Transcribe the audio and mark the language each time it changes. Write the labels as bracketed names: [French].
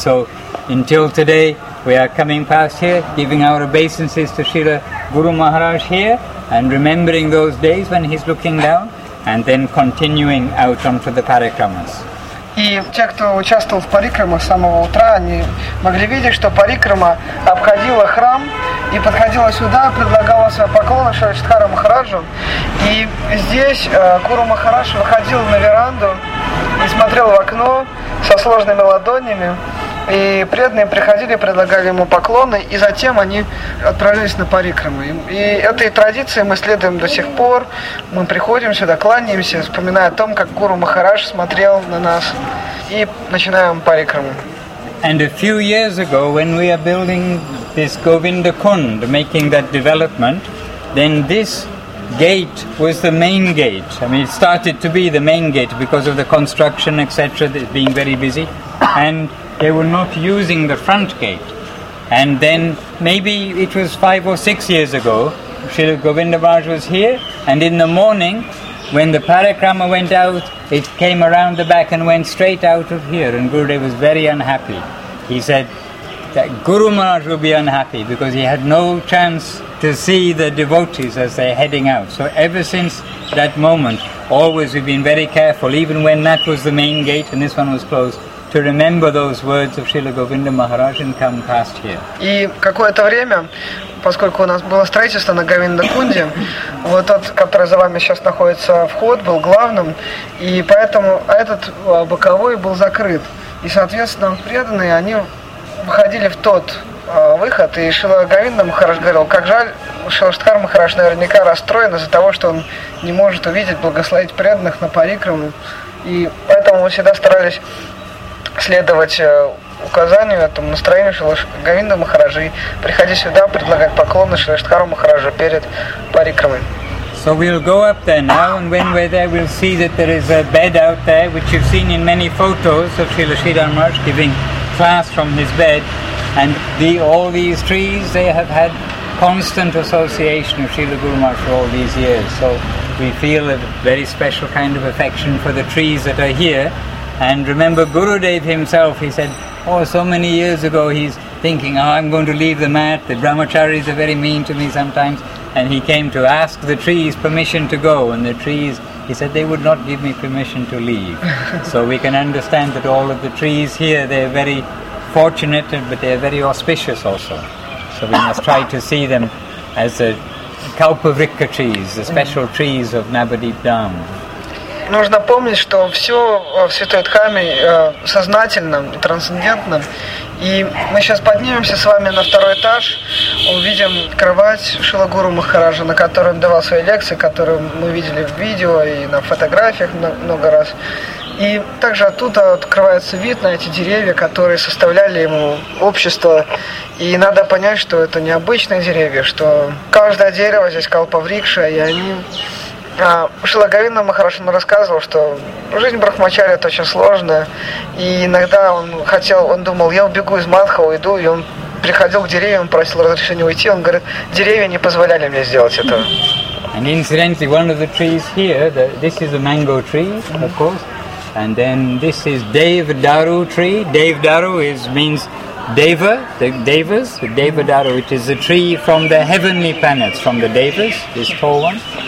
[English] So until today, we are coming past here, giving our obeisances to Srila Guru Maharaj here, and remembering those days when he's looking down, and then continuing out onto the Parikramas. [Russian] И те, кто участвовал в парикрамах с самого утра, они могли видеть, что парикрама обходила храм и подходила сюда, предлагала свои поклоны Шриштхара Махараджу. И здесь Гуру Махарадж выходил на веранду и смотрел в окно со сложными ладонями. И преданные приходили, предлагали ему поклоны, и затем они отправлялись на парикрамы. И этой традиции мы следуем до сих пор. Мы приходим сюда, кланяемся, вспоминая о том, как Гуру Махарадж смотрел на нас, и начинаем парикраму. [English] And a few years ago, when we are building this Govinda Kund, making that development, then this gate was the main gate. I mean, it started to be the main gate because of the construction, etc., that's being very busy. And they were not using the front gate. And then maybe it was 5 or 6 years ago, Srila Govinda Maharaj was here, and in the morning, when the Parikrama went out, it came around the back and went straight out of here, and Gurudev was very unhappy. He said that Guru Maharaj would be unhappy because he had no chance to see the devotees as they're heading out. So ever since that moment, always we've been very careful, even when that was the main gate and this one was closed, to remember those words of Srila Govinda Maharaj and come past here. [Russian] И какое-то время, поскольку у нас было строительство на Говиндакунде, вот тот, который за вами сейчас находится, вход был главным, и поэтому этот боковой был закрыт. И, соответственно, преданные, они выходили в тот выход, и Шрила Говинда Махарадж говорил, как жаль, Шрила Штхар Махарадж наверняка расстроен из-за того, что он не может увидеть, благословить преданных на парикраму. И поэтому мы всегда старались следовать указанию, этому настроению Шрила Говинда Махараджа, приходить сюда, предлагать поклоны Шрила Штхару Махараджу перед парикрамой. [English] So we'll go up there now, and when we're there, we'll see that there is a bed out there, which you've seen in many photos of Srila Sridhar Maharaj giving class from his bed. And all these trees, they have had constant association of Srila Guru Maharaj for all these years. So we feel a very special kind of affection for the trees that are here. And remember Gurudev himself, he said, oh, so many years ago, he's thinking, oh, I'm going to leave the mat, the brahmacharis are very mean to me sometimes. And he came to ask the trees permission to go, and the trees, he said, they would not give me permission to leave. So we can understand that all of the trees here, they're very fortunate, but they're very auspicious also. So we must try to see them as the kalpavrikka trees, the special trees of Navadvip Dham. [Russian] Нужно помнить, что все в Святой Дхаме сознательно, трансцендентно. И мы сейчас поднимемся с вами на второй этаж, увидим кровать Шрила Гуру Махараджа, на которой он давал свои лекции, которые мы видели в видео и на фотографиях много раз. И также оттуда открывается вид на эти деревья, которые составляли ему общество. И надо понять, что это не обычные деревья, что каждое дерево здесь калпаврикша, и они... Шрила Говинда Махарадж рассказывал, что жизнь брахмачари это очень сложная. И иногда он думал, я убегу из Мадха, уйду, и он приходил к деревьям, просил разрешения уйти. Он говорит, деревья не позволяли мне сделать это. [English] And incidentally, one of the trees here, this is a mango tree, of course. And then this is Devdaru tree. Devdaru means Deva, the Devas, the Devdaru, which is a tree from the heavenly planets, from the Devas, this tall one.